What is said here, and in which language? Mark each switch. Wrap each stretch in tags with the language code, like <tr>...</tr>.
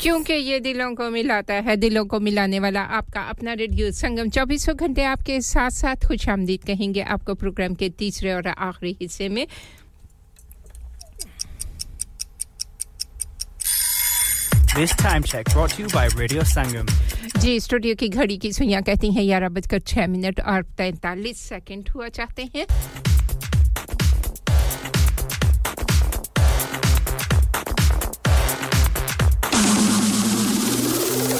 <hi>क्योंकि ये दिलों को मिलाता है दिलों को मिलाने वाला आपका अपना रेडियो संगम 24 घंटे आपके साथ-साथ खुशामदीद कहेंगे आपको प्रोग्राम के तीसरे और आखिरी हिस्से में</hi> <en>This time check brought to you by Radio Sangam.</en> <hi>Ji studio की घड़ी की सुइयां कहती हैं 11 बजकर 6 मिनट और 43 सेकंड हुआ चाहते हैं</hi>